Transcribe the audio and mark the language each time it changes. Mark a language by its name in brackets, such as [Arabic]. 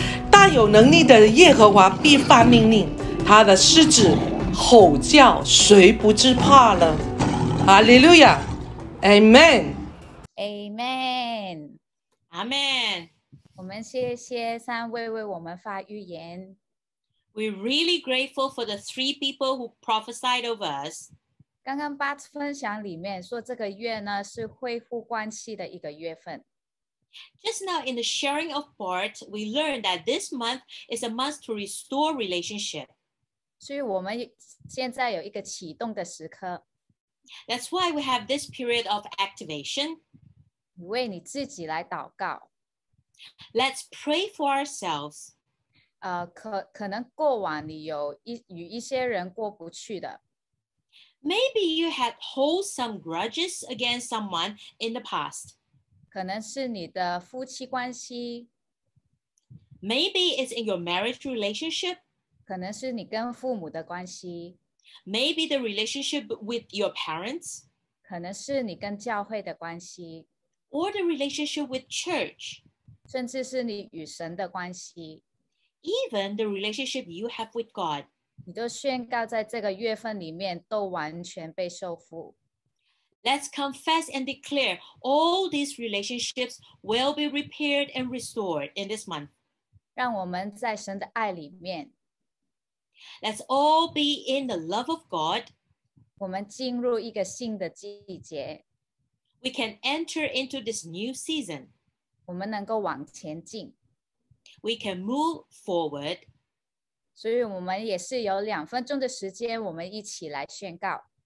[Chinese] 大有能力的耶和华必发命令，他的狮子吼叫，谁不知怕了？哈利路亚 ，Amen， Amen， Amen。我们谢谢三位为我们发预言。 [English] We're really grateful for the three people who prophesied over us。 [Chinese] 刚刚Bart分享里面说，这个月呢是恢复关系的一个月份。 [English] Just now in the sharing of Bart, we learned that this month is a month to restore relationship。 [Chinese] 所以我们现在有一个启动的时刻。 [English] That's why we have this period of activation。 [Chinese] 你为你自己来祷告。 [English] Let's pray for ourselves。 [Chinese] 可能过往你有与一些人过不去的。 [English] Maybe you had hold some grudges against someone in the past。 [Chinese] 可能是你的夫妻关系。 [English] Maybe it's in your marriage relationship。 [Chinese] 可能是你跟父母的关系。 [English] Maybe the relationship with your parents。 [Chinese] 可能是你跟教会的关系。 [English] Or the relationship with church。 [Chinese] 甚至是你与神的关系。 [English] Even the relationship you have with God。 [Chinese] 你都宣告在这个月份里面都完全被受缚。 [English] Let's confess and declare all these relationships will be repaired and restored in this month. [Chinese] 让我们在神的爱里面。 [English] Let's all be in the love of God. [Chinese] 我们进入一个新的季节。 [English] We can enter into this new season. [Chinese] 我们能够往前进。 [English] We can move forward. [Chinese] 所以我们也是有两分钟的时间，我们一起来宣告。